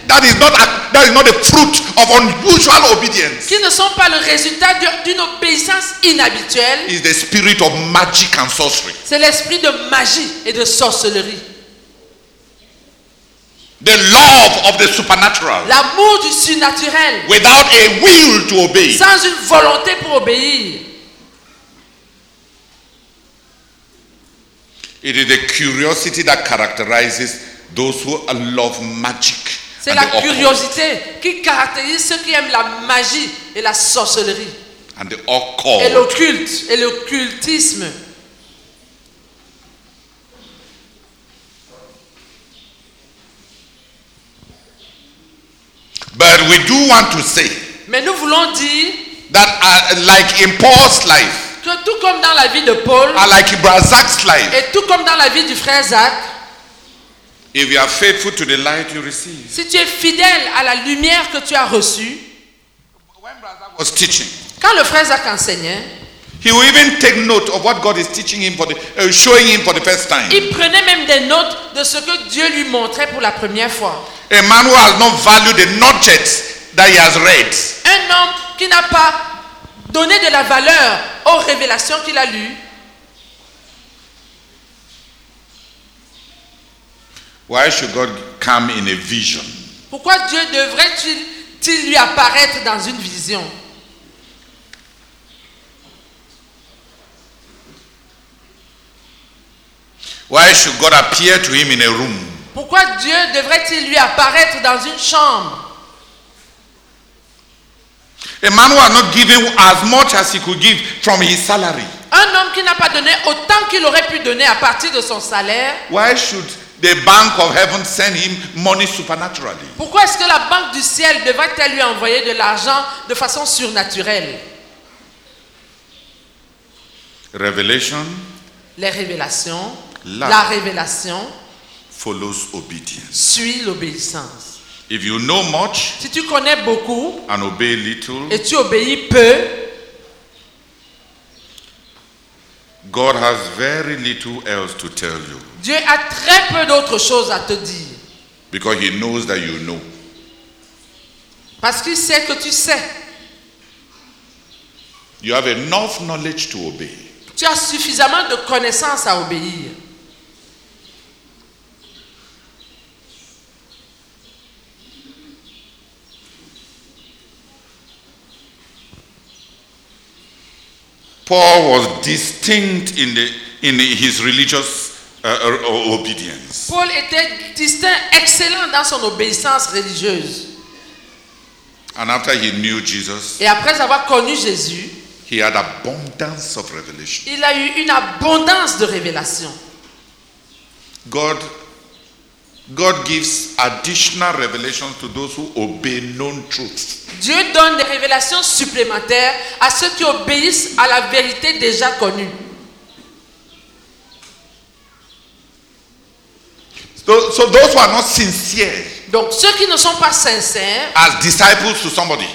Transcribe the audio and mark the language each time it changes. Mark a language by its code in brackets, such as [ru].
[en] That is not the fruit of unusual obedience. [fr] Qui ne sont pas le résultat d'une obéissance inhabituelle. [en] Is the spirit of magic and sorcery. [fr] C'est l'esprit de magie et de sorcellerie. [en] The love of the supernatural. [fr] L'amour du surnaturel. [en] Without a will to obey. [fr] Sans une volonté pour obéir. [en] It is the curiosity that characterizes those who love magic. [fr] C'est la curiosité qui caractérise ceux qui aiment la magie et la sorcellerie. [en] And the occult. [fr] Et l'occulte et l'occultisme. [en] But we do want to say. [fr] Mais nous voulons dire [en] that like in Paul's life. [fr] Que tout comme dans la vie de Paul. [en] And like Brother Zach's life. [fr] Et tout comme dans la vie du frère Zach. [en] If you are faithful to the light you receive. [fr] Si tu es fidèle à la lumière que tu as reçue. [en] When Brother Zach was teaching. [fr] Quand le frère Zach enseignait. [en] He will even take note of what God is teaching him for the showing him for the first time. [fr] Il prenait même des notes de ce que Dieu lui montrait pour la première fois. [en] A man who has not valued the knowledge that he has read. [fr] Un homme qui n'a pas donné de la valeur aux révélations qu'il a lues. [en] Why should God come in a vision? [fr] Pourquoi Dieu devrait-il lui apparaître dans une vision? [en] Why should God appear to him in a room? [fr] Pourquoi Dieu devrait-il lui apparaître dans une chambre? [en] A man who has not given as much as he could give from his salary. [fr] Un homme qui n'a pas donné autant qu'il aurait pu donner à partir de son salaire. [en] Why should the bank of heaven send him money supernaturally? [fr] Pourquoi est-ce que la banque du ciel devrait-elle lui envoyer de l'argent de façon surnaturelle? [en] Revelation. [fr] Les révélations. La révélation. [en] Follows obedience. [fr] Suis l'obéissance. [en] If you know much, [fr] si tu connais beaucoup, [en] and obey little, [fr] et tu obéis peu, [en] God has very little else to tell you. [fr] Dieu a très peu d'autres choses à te dire. [en] Because he knows that you know. [fr] Parce qu'il sait que tu sais. [en] You have enough knowledge to obey. [fr] Tu as suffisamment de connaissances à obéir. [en] Paul was distinct in his religious obedience. [fr] Paul était distinct, excellent dans son obéissance religieuse. [en] And after he knew Jesus, [fr] et après avoir connu Jésus, [en] he had abundance of revelation. [fr] Il a eu une abondance de révélations. [en] God gives additional revelations to those who obey known truths. [fr] Dieu donne des révélations supplémentaires à ceux qui obéissent à la vérité déjà connue. [en] So those who are not sincere. [fr] Donc ceux qui ne sont pas sincères. [en] As disciples to somebody.